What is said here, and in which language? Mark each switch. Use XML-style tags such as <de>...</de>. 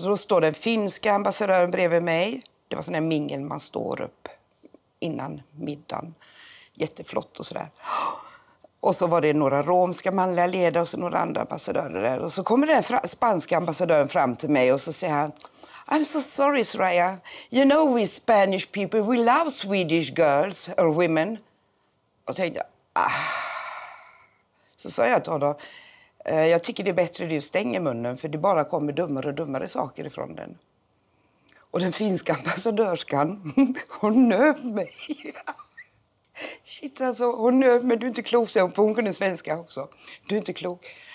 <sv>Så då står den finska ambassadören bredvid mig. Det var sån där mingel man står upp innan middagen. Jätteflott och sådär. Och så var det några romska manliga ledare och så några andra ambassadörer där. Och så kommer den spanska ambassadören fram till mig och så säger han:</sv> <en>I'm so sorry, Soraya. You know we Spanish people, we love Swedish girls or women.</en> <sv>Och tänkte jag, ah. Så sa jag till honom, jag tycker det är bättre att du stänger munnen, för det bara kommer dummare och dummare saker ifrån den. Och den finska ambassadörskan, hon nöp mig. Shit, alltså, hon nöp mig, du är inte klok, så hon kunde svenska också. Du är inte klok.</sv>